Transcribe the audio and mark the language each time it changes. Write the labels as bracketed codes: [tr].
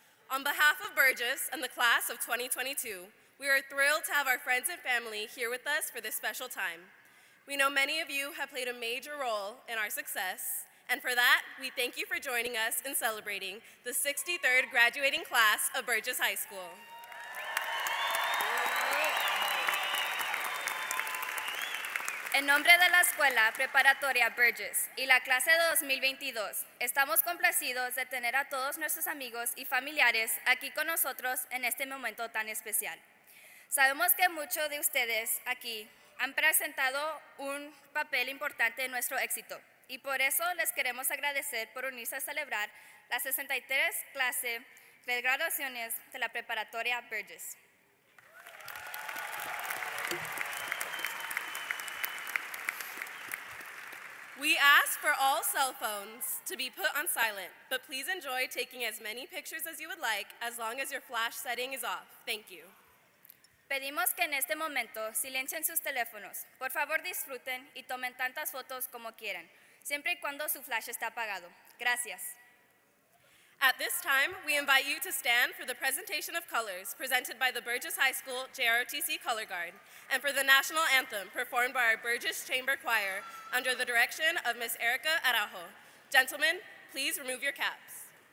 [en] On behalf of Burgess and the class of 2022, we are thrilled to have our friends and family here with us for this special time. We know many of you have played a major role in our success, and for that, we thank you for joining us in celebrating the 63rd graduating class of Burgess High School. [es] En nombre de la Escuela Preparatoria Burgess y la clase de 2022, estamos complacidos de tener a todos nuestros amigos y familiares aquí con nosotros en este momento tan especial. Sabemos que muchos de ustedes aquí han presentado un papel importante en nuestro éxito, y por eso les queremos agradecer por unirse a celebrar la 63 clase de graduaciones de la Preparatoria Burgess. [en] We ask for all cell phones to be put on silent, but please enjoy taking as many pictures as you would like, as long as your flash setting is off. Thank you. [es] Pedimos que en este momento silencien sus teléfonos. Por favor, disfruten y tomen tantas fotos como quieran, siempre y cuando su flash esté apagado. Gracias. [en] At this time, we invite you to stand for the presentation of colors presented by the Burgess High School JROTC Color Guard and for the national anthem performed by our Burgess Chamber Choir under the direction of Ms. Erica Araujo. Gentlemen, please remove your caps.